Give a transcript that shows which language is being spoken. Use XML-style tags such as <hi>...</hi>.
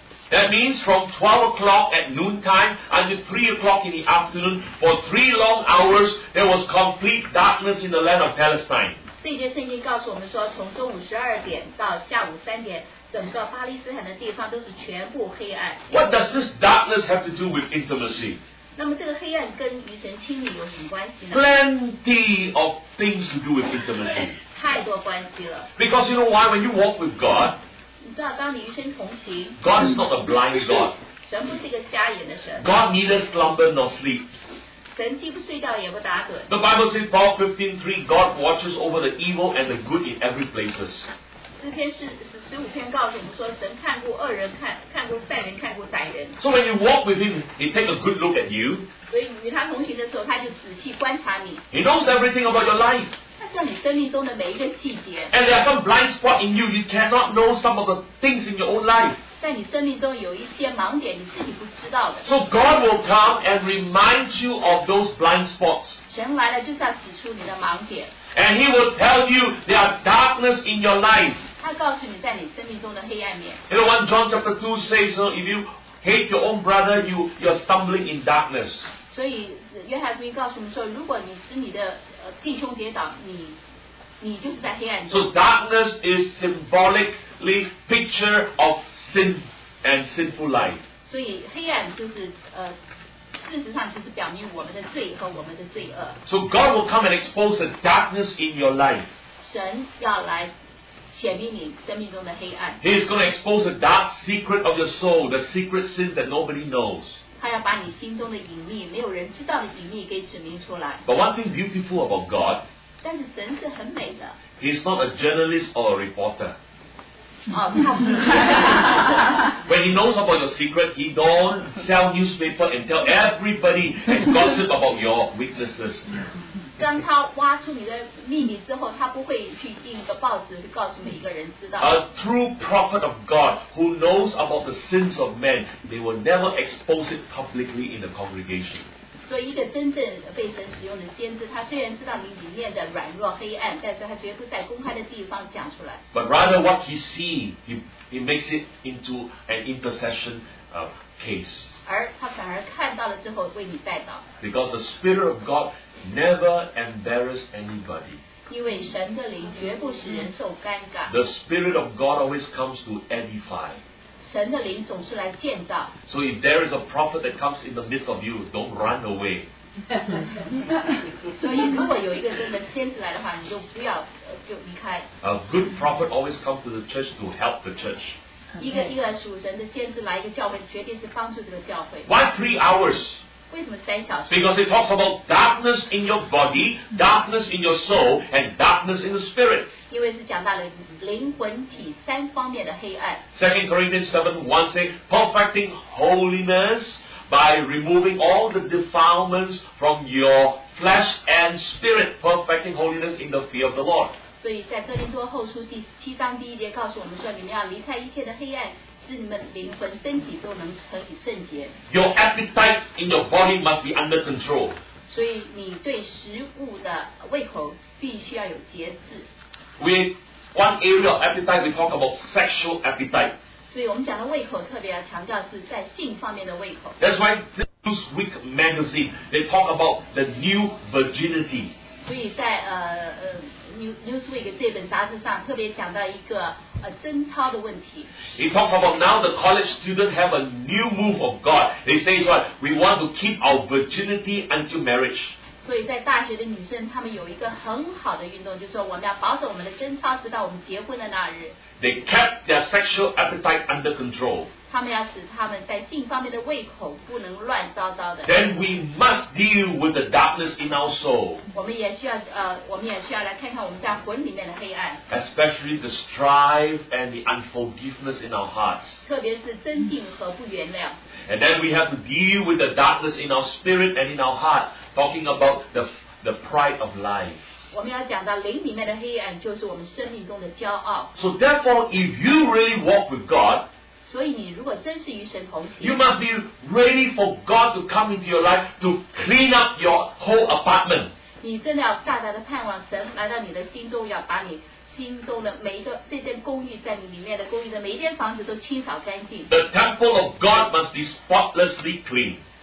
<en>That means from 12 o'clock at noontime until 3 o'clock in the afternoon, for 3 long hours, there was complete darkness in the land of Palestine.</en> <zh>这节圣经告诉我们说，从中午十二点到下午三点，整个巴勒斯坦的地方都是全部黑暗。</zh> <en>What does this darkness have to do with intimacy?</en> <zh>那么这个黑暗跟与神亲密有什么关系呢？</zh> <en>Plenty of things to do with intimacy.</en> <zh>太多关系了。</zh> <en>Because you know why? When you walk with God,</en> <zh>你知道当你与神同行，</zh> <en>God is not a blind God.</en> <zh>神不是一个瞎眼的神。</zh> <en>God neither slumber nor sleep.</en> <zh>神既不睡觉也不打盹。</zh> <en>The Bible says, Paul 15:3, God watches over the evil and the good in every places.</en> <zh>诗篇是十五篇告诉我们说，神看顾恶人，看顾善人，看顾歹人。</zh> <en>So when you walk with him, he take a good look at you.</en> <zh>所以与他同行的时候，他就仔细观察你。</zh> <en>He knows everything about your life.</en> <zh>他知道你生命中的每一个细节。</zh> <en>And there are some blind spots in you, you cannot know some of the things in your own life.</en> <zh>在你生命中有一些盲点，你自己不知道的。</zh> <en>So God will come and remind you of those blind spots.</en> <zh>神来了就是要指出你的盲点。</zh> <en>And He will tell you there are darkness in your life.</en> <zh>他告诉你在你生命中的黑暗面。</zh> <en>You know what John chapter 2 says, so if you hate your own brother, you're stumbling in darkness.</en> <zh>所以约翰福音告诉我们说，如果你使你的弟兄跌倒，你就是在黑暗中。</zh> <en>So darkness is symbolically picture of sin and sinful life.</en> <zh>所以黑暗就是事实上就是表明我们的罪和我们的罪恶。</zh> <en>So God will come and expose the darkness in your life.</en> <zh>神要来显明你生命中的黑暗。</zh> <en>He is going to expose the dark secret of your soul, the secret sin that nobody knows.</en> <zh>他要把你心中的隐秘，没有人知道的隐秘给指明出来。</zh> <en>But one thing beautiful about God.</en> <zh>但是神是很美的。</zh> <en>He is not a journalist or a reporter. When he knows about your secret, he don't sell newspaper and tell everybody and gossip about your weaknesses.</en> <zh>当他挖出你的秘密之后，他不会去印个报纸去告诉每一个人知道。</zh> <en>A true prophet of God who knows about the sins of men, they will never expose it publicly in the congregation.</en> <zh>所以一个真正被神使用的先知，他虽然知道你里面的软弱黑暗，但是他绝不在公开的地方讲出来。</zh> <en>But rather what he sees, he makes it into an intercession of case.</en> <zh>而他反而看到了之后为你代祷。</zh> <en>Because the Spirit of God never embarrasses anybody.</en> <zh>因为神的灵绝不使人受尴尬。</zh> <en>The Spirit of God always comes to edify.</en> <zh>神的灵总是来建造。</zh> <en>So if there is a prophet that comes in the midst of you, don't run away.</en> <zh>所以如果有一个真的先知来的话，你就不要就离开。</zh> <en>A good prophet always comes to the church to help the church.</en> <zh>一个属神的先知来一个教会，决定是帮助这个教会。</zh> <en>Why 3 hours?</en> <zh>为什么三小时？</zh> <en>Because it talks about darkness in your body, darkness in your soul, and darkness in the spirit.</en> <zh>因为是讲到了灵魂体三方面的黑暗。</zh> <en>Second Corinthians 7:1 says, perfecting holiness by removing all the defilements from your flesh and spirit, perfecting holiness in the fear of the Lord.</en> <zh>所以在哥林多后书第七章第一节告诉我们说，你们要离开一切的黑暗，使你们灵魂身体都能成以圣洁。</zh> <en>Your appetite in your body must be under control.</en> <zh>所以你对食物的胃口必须要有节制。</zh> <en>We one area of appetite we talk about sexual appetite.</en> <zh>所以我们讲的胃口特别要强调是在性方面的胃口。</zh> <en>That's why this Newsweek magazine they talk about the new virginity.</en> <zh>所以在Newsweek 这本杂志上特别讲到一个贞操的问题。</zh> <en>It talks about now the college students have a new move of God. They say what we want to keep our virginity until marriage.</en> <zh>所以在大学的女生，她们有一个很好的运动，就是说我们要保守我们的贞操，直到我们结婚的那日。</zh> <en>They kept their sexual appetite under control.</en> <zh>她们要使她们在性方面的胃口不能乱糟糟的。</zh> <en>Then we must deal with the darkness in our soul.</en> <zh>我们也需要来看看我们在魂里面的黑暗。</zh> <en>Especially the strife and the unforgiveness in our hearts.</en> <zh>特别是争竞和不原谅。</zh> <en>And then we have to deal with the darkness in our spirit and in our hearts. Talking about the pride of life.</en> <zh>我们要讲到灵里面的黑暗，就是我们生命中的骄傲。</zh> <en>So therefore, if you really walk with God,</en> <zh>所以你如果真是与神同行，</zh> <en>you must be ready for God to come into your life to clean up your whole apartment.</en> <zh>你真的要大大的盼望神来到你的心中，要把你心中的每一个这间公寓，在你里面的公寓的每一间房子都清扫干净。</zh> <en>The temple of God must be spotlessly clean.</en>